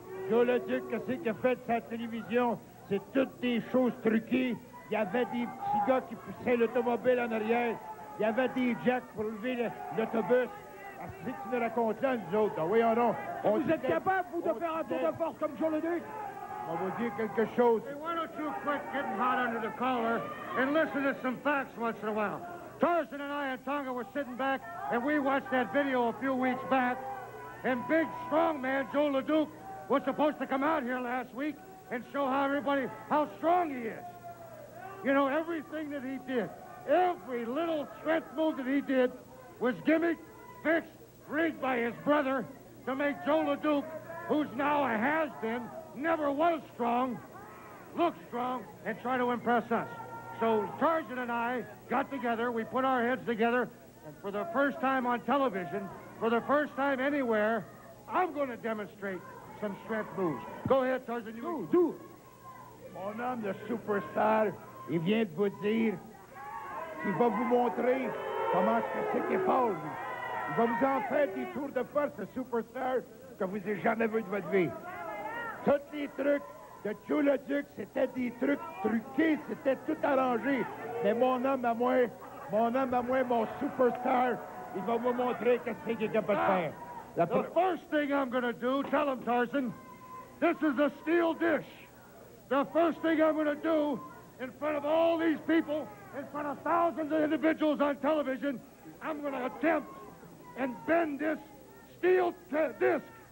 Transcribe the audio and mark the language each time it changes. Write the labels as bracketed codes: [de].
[fr] Joe Leduc, qu'est-ce qu'il a fait de sa télévision? C'est toutes des choses truquées. Il y avait des petits gars qui poussaient l'automobile en arrière. Il y avait des jacks pour lever l'autobus. Si tu nous racontes là, nous autres, ben voyons donc. Vous dit, êtes capable, vous, de faire un tour de force comme Joe Leduc? On va vous dire quelque chose. [en] Hey, why don't you quit getting hot under the collar and listen to some facts once in a while? Tarzan and I and Tonga were sitting back and we watched that video a few weeks back. And big, strong man Joe Leduc was supposed to come out here last week and show how everybody how strong he is. You know, everything that he did, every little strength move that he did was gimmicked, fixed, rigged by his brother to make Joe Leduc, who's now a has-been, never was strong, look strong and try to impress us. So Tarzan and I got together, we put our heads together, and for the first time on television, for the first time anywhere, I'm going to demonstrate some strength moves. Go ahead, Tarzan. You do it. [fr] Mon homme, le superstar, il vient de vous dire qu'il va vous montrer comment c'est qu'il parle. Il va vous en faire des tours de force, le superstar, que vous n'avez jamais vu de votre vie. Tous les trucs de Joe Leduc, c'était des trucs truqués, c'était tout arrangé. Mais mon homme à moi, mon superstar, il va vous montrer qu'est-ce qu'il est capable de faire. [en] The first thing I'm going to do, tell him, Tarzan, this is a steel dish. The first thing I'm going to do in front of all these people, in front of thousands of individuals on television, I'm going to attempt and bend this steel disc.